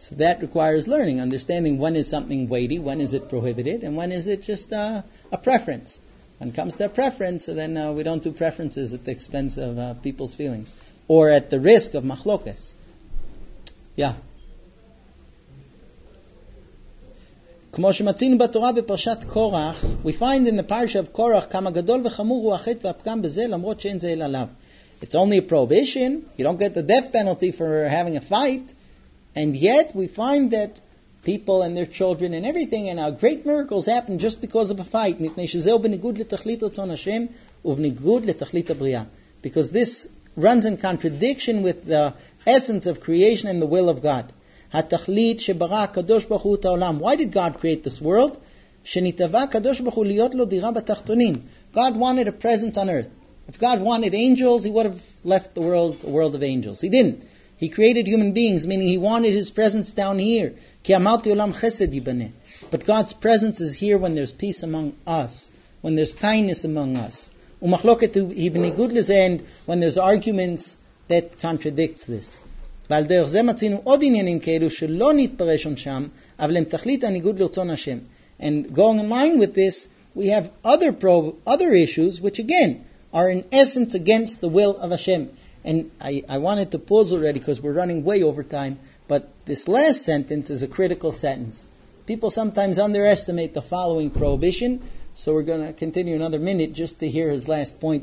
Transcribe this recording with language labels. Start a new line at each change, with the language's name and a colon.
English: So that requires learning, understanding when is something weighty, when is it prohibited, and when is it just a preference. When it comes to a preference, so then we don't do preferences at the expense of people's feelings, or at the risk of machlokas. Yeah?
Hebrew: כמו שמצינו בתורה בפרשת קורח,
English: we find in the parasha of Korach
Hebrew: כמה גדול וחמור הוא החטא והפגם בזה, למרות שאין זה אלא לאו.
English: It's only a prohibition. You don't get the death penalty for having a fight. And yet, we find that people and their children and everything and our great miracles happen just because of a fight.
Hebrew: מפני שזהו בניגוד לתכלית רצון השם ובניגוד לתכלית הבריאה.
English: Because this runs in contradiction with the essence of creation and the will of God.
Hebrew: התכלית שברא הקדוש ברוך הוא את העולם.
English: Why did God create this world?
Hebrew: שנתאבה הקדוש ברוך הוא להיות לו דירה בתחתונים.
English: God wanted a presence on earth. If God wanted angels, he would have left the world a world of angels. He didn't. He created human beings, meaning he wanted his presence down here.
Hebrew: כי אמרתי עולם חסד ייבנה.
English: But God's presence is here when there's peace among us, when there's kindness among us.
Hebrew: ומחלוקת היא בניגוד לזה,
English: and when there's arguments that contradicts this.
Hebrew: ועל דרך זה מצינו עוד עניינים כאלו שלא נתפרשון שם, אבל הם תכלית הניגוד לרצון השם.
English: And going in line with this, we have other issues, which again, are in essence against the will of Hashem. And I wanted to pause already, because we're running way over time, but this last sentence is a critical sentence. People sometimes underestimate the following prohibition, so we're going to continue another minute just to hear his last point.